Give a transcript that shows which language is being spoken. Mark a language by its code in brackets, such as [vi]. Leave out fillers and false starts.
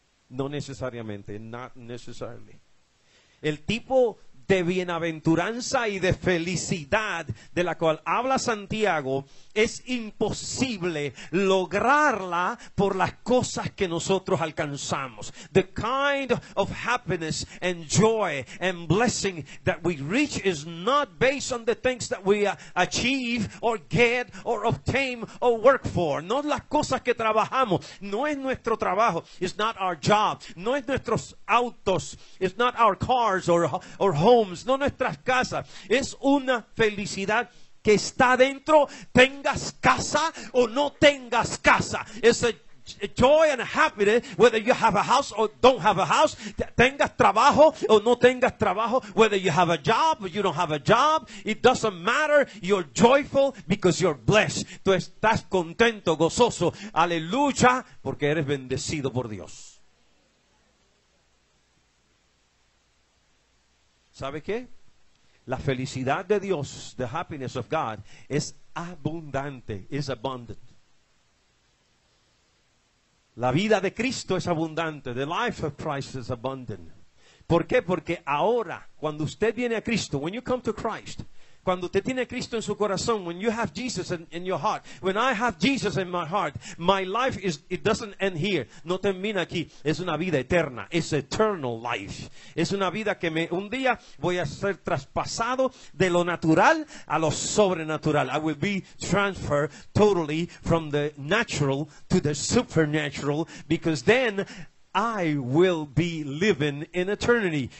[es] No necesariamente, [en] not necessarily. [es] El tipo de bienaventuranza y de felicidad de la cual habla Santiago es imposible lograrla por las cosas que nosotros alcanzamos. [en] The kind of happiness and joy and blessing that we reach is not based on the things that we achieve or get or obtain or work for. [es] No las cosas que trabajamos. No es nuestro trabajo. [en] It's not our job. [es] No es nuestros autos. [en] It's not our cars or homes. [es] No nuestras casas. Es una felicidad que está dentro, tengas casa o no tengas casa. [en] It's a joy and a happiness whether you have a house or don't have a house, [es] tengas trabajo o no tengas trabajo, [en] whether you have a job or you don't have a job, it doesn't matter. You're joyful because you're blessed. [es] Tú estás contento, gozoso, aleluya, porque eres bendecido por Dios. ¿Sabe qué? La felicidad de Dios, [en] the happiness of God, [es] es abundante, [en] is abundant. [es] La vida de Cristo es abundante, [en] the life of Christ is abundant. [es] ¿Por qué? Porque ahora, cuando usted viene a Cristo, [en] when you come to Christ, [es] cuando usted tiene a Cristo en su corazón, [en] when you have Jesus in your heart, when I have Jesus in my heart, my life is, it doesn't end here. [es] No termina aquí. Es una vida eterna. [en] It's eternal life. [es] Es una vida que me, un día voy a ser traspasado de lo natural a lo sobrenatural. [en] I will be transferred totally from the natural to the supernatural, because then I will be living in eternity.